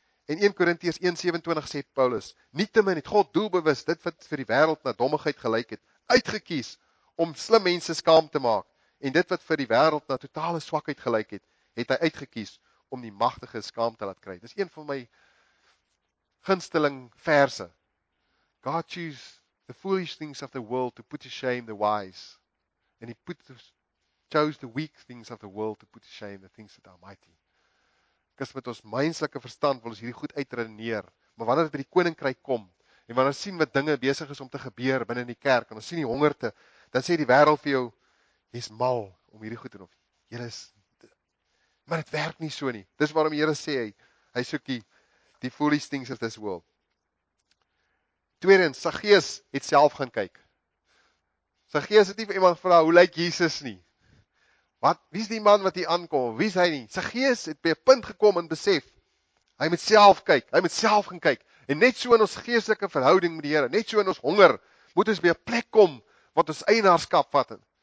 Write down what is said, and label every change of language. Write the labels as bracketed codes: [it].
[af] En 1 Korintiërs 1:27 sê Paulus, nietemin het God doelbewus dit wat vir die wêreld na dommigheid gelyk het, uitgekies om slim mense skaam te maak en dit wat vir die wêreld na totale swakheid gelyk het, het hy uitgekies om die magtige skaam te laat kry. Dis een van my gunsteling verse. [en] God chooses the foolish things of the world to put to shame the wise. And he chose the weak things of the world to put to shame the things that are mighty. [af] Kus met ons menslike verstand wil ons hierdie goed uitredeneer. Maar wanneer dit by die koninkryk kom en wanneer ons sien wat dinge besig is om te gebeur binne in die kerk en ons sien die hongerte, dan sê die wêreld vir jou, jy's mal om hierdie goed te doen. Maar dit werk nie so nie. Dis waarom die Here sê hy soek die [en] foolish things of this world. [af] Tweedens, Saggeus het self gaan kyk. Saggeus het nie vir iemand gevra, hoe lyk Jesus nie? Wie is die man wat hier aankom? Wie is hy nie? Saggeus het by 'n punt gekom en besef, hy moet self kyk, hy moet self gaan kyk. En net so in ons geestelike verhouding met die Here, net so in ons honger, moet ons by 'n plek kom wat ons eienaarskap vat.